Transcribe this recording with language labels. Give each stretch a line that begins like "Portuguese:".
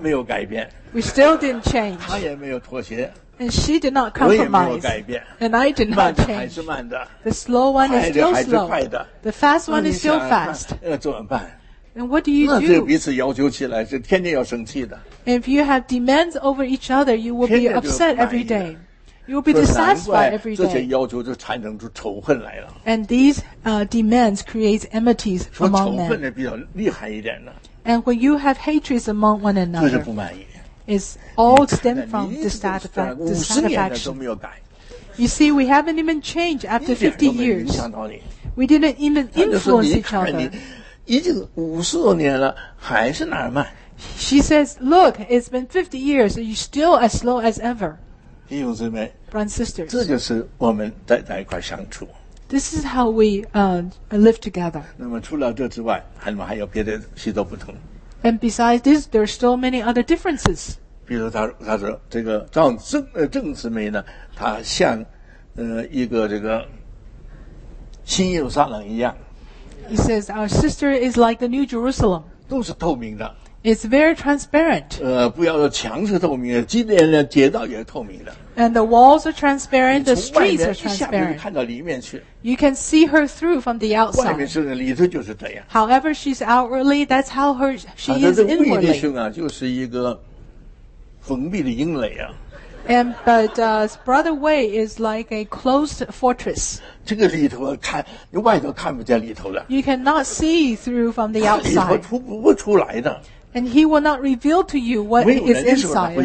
Chinese: 没有改变。
English: We still didn't change.
Chinese: 她也没有妥协。
English: And she did not compromise.
Chinese: 我也没有改变。
English: And I did not change.
Chinese: 慢的还是慢的。
English: The slow one is still slow. The fast one is still fast.
Chinese: 那怎么办？
English: And what do you do?
Chinese: 那就彼此要求起来, 是天天要生气的。
English: If you have demands over each other, you will be upset every day. You will be dissatisfied every day.
Chinese: 这些要求就产生出仇恨来了。
English: And these demands create enmities among men.
Chinese: 说仇恨的比较厉害一点呢。
English: And when you have hatreds among one another,
Chinese: 这是不满意。
English: It's all stemmed from dissatisfaction. You see, we haven't even changed after 50 years. We didn't even influence each other.
Chinese: 已经50多年了，还是那儿慢。
English: She says, look, it's been 50 years, and you're still as slow as ever.
Chinese: 弟兄姊妹,
English: Brothers and sisters,
Chinese: 这就是我们在一块相处。
English: This is how we live together.
Chinese: 那么除了这之外, 还有别的许多不同。
English: And besides this, there are still many other differences.
Chinese: 比如他说这个郑姊妹呢, 她像一个这个新耶路撒冷一样。
English: He says, our sister is like the New Jerusalem.
Chinese: 都是透明的。
English: It's very transparent.
Chinese: 不要说墙是透明的，街道也透明的。
English: And the walls are transparent, the streets are transparent.
Chinese: 你从外面一下就看到里面去。
English: You can see her through from the outside.
Chinese: 外面是里头就是这样。
English: However, she's outwardly, that's how her, she is inwardly.
Chinese: 她的魏弟兄啊，就是一个封闭的营垒啊。
English: And, but, Brother Wei is like a closed fortress.
Chinese: 这个里头看，你外头看不见里头了。
English: You cannot see through from the outside.
Chinese: 里头出不出来的。
English: And he will not reveal to you what is inside of